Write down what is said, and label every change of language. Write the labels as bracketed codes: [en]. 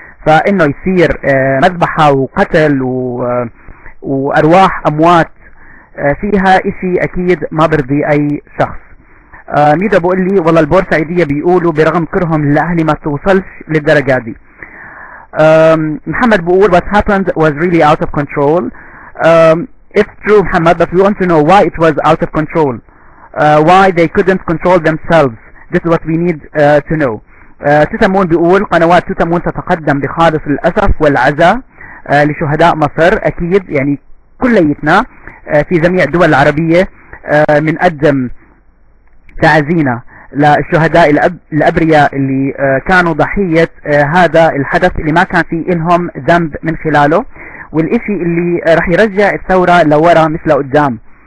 [ar] فانه يصير مذبحة وقتل وارواح اموات فيها اشي اكيد ما برضي اي شخص. ميدا بقول لي والله البورسعيدية بيقولوا برغم كرههم للاهلي ما توصلش للدرجة دي. [en] محمد [ar] بقول [en] what happened was really out of control. It's true Muhammad, but we want to know why it was out of control. Why they couldn't control themselves. This is what we need to know. [ar] تتمون بيقول قنوات تتمون تتقدم بخالص الأسف والعزاء لشهداء مصر. أكيد يعني كليتنا في جميع الدول العربية منقدم تعزينا للشهداء الأبرياء اللي كانوا ضحية هذا الحدث اللي ما كان فيه إنهم ذنب من خلاله, والإشي اللي رح يرجع الثورة لورا مثل قدام.